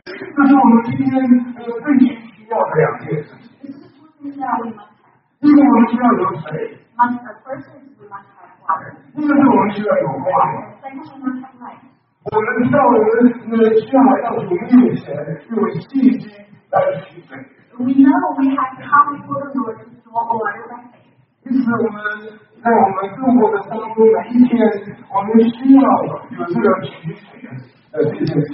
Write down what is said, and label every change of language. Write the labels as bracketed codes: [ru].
[zh] 这是我们今天最需要的两件事情。 [en] This is what we must have. [zh] 第一个我们需要有水。 [en] Must have persons, we must have water. [zh] 第二个是我们需要有光。 [en] Second, we must have light. [zh] 我们到我们需要来到主面前，用信心来取水。 [en] We know we have come before the Lord to draw water by faith. [zh] 因此我们在我们生活的当中每一天，我们需要有这个取水。